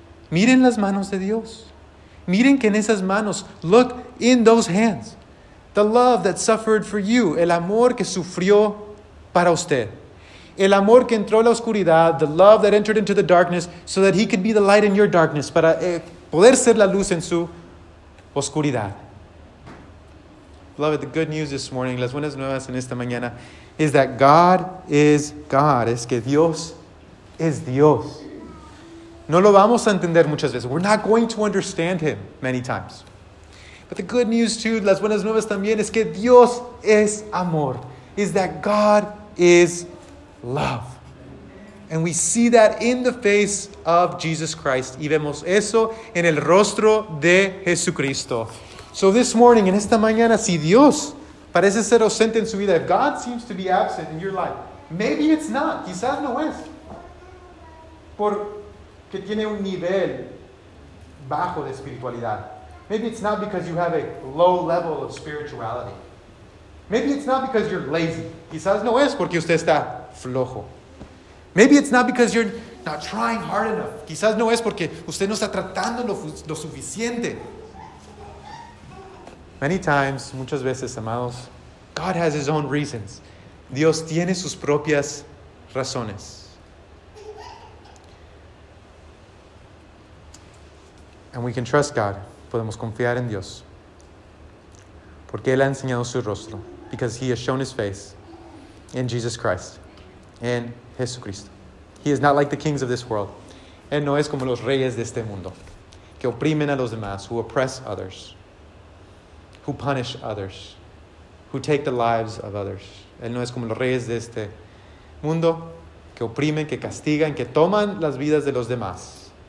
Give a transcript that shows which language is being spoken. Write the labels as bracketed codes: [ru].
[es] Miren las manos de Dios. Miren que en esas manos, [en] look in those hands. The love that suffered for you. [es] El amor que sufrió para usted. El amor que entró a la oscuridad. [en] The love that entered into the darkness so that he could be the light in your darkness. [es] Para poder ser la luz en su oscuridad. [en] Beloved, the good news this morning, [es] las buenas nuevas en esta mañana, [en] is that God is God. [es] Es que Dios es Dios. No lo vamos a entender muchas veces. [en] We're not going to understand him many times. But the good news too, [es] las buenas nuevas también, es que Dios es amor. [en] Is that God is love. And we see that in the face of Jesus Christ. [es] Y vemos eso en el rostro de Jesucristo. [en] So this morning, [es] en esta mañana, si Dios parece ser ausente en su vida, [en] if God seems to be absent in your life, maybe it's not. [es] Quizás no es. Por que tiene un nivel bajo de espiritualidad. [en] Maybe it's not because you have a low level of spirituality. Maybe it's not because you're lazy. [es] Quizás no es porque usted está flojo. [en] Maybe it's not because you're not trying hard enough. [es] Quizás no es porque usted no está tratando lo suficiente. [en] Many times, [es] muchas veces, amados, [en] God has his own reasons. [es] Dios tiene sus propias razones. [en] And we can trust God. [es] Podemos confiar en Dios. Porque Él ha enseñado su rostro. [en] Because he has shown his face in Jesus Christ. [es] En Jesucristo. [en] He is not like the kings of this world. [es] Él no es como los reyes de este mundo. Que oprimen a los demás. [en] Who oppress others. Who punish others. Who take the lives of others. [es] Él no es como los reyes de este mundo. Que oprimen, que castigan, que toman las vidas de los demás.